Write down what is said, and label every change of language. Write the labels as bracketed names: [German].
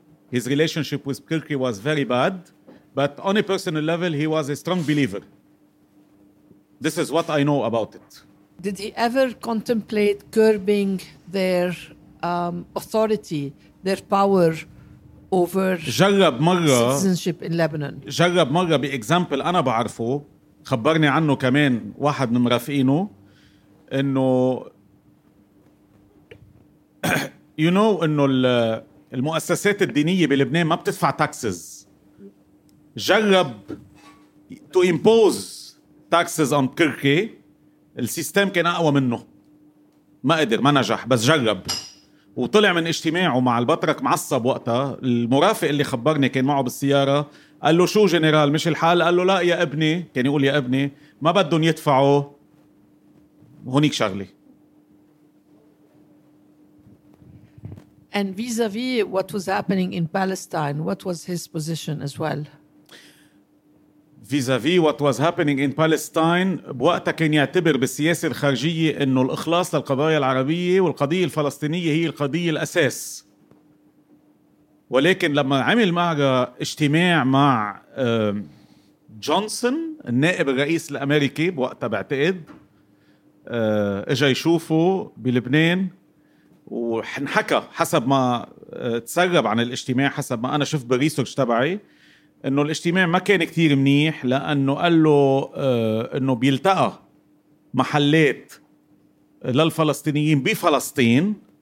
[English] His relationship with Kirki was very bad, but on a personal level, he was a strong believer. This is what I know about it. Did he ever contemplate curbing their authority, their power over citizenship in Lebanon? [Arabic] جرب مرة بإكزامبل أنا بعرفه خبرني عنه كمان واحد من رفقينه إنه [English] you know [Arabic] إنه المؤسسات الدينية بلبنان ما بتدفع taxes. جرب [English] to impose taxes on Kirke. [Arabic] السيستم كان أقوى منه. ما قدر ما نجح بس جرب. وطلع من اجتماعه مع البطرك معصب وقتها. المرافق اللي خبرني كان معه بالسيارة. قال له شو جنرال مش الحال؟ قال له لا يا ابني. كان يقول يا ابني ما بدهم يدفعوا. هونيك شغلي. [English] And vis-a-vis what was happening in Palestine, what was his position as well? Vis-a-vis what was happening in Palestine, [Arabic] بوقتها كان يعتبر بالسياسة الخارجية إنه الإخلاص للقضايا العربية والقضية الفلسطينية هي القضية الأساس. ولكن لما عمل معه اجتماع مع جونسون النائب الرئيس الأمريكي بوقتها بعتقد إجا يشوفه بلبنان وحنحكى حسب ما تسرب عن الاجتماع حسب ما أنا شفت بالريسورش تبعي إنه الاجتماع ما كان كتير منيح لأنه قال له إنه بيلتقى محلات للفلسطينيين بفلسطين